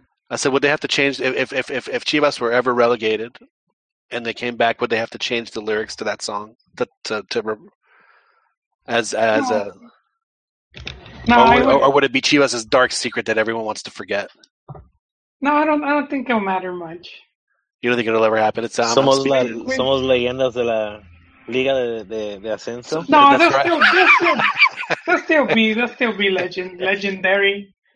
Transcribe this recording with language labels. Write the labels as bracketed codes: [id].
[en] I said, would they have to change if Chivas were ever relegated and they came back? Would they have to change the lyrics to that song or would it be Chivas' dark secret that everyone wants to forget? No, I don't think it'll matter much. You don't think it'll ever happen? It's [es] somos leyendas de la Liga de Ascenso. [en] No, they'll still be legendary.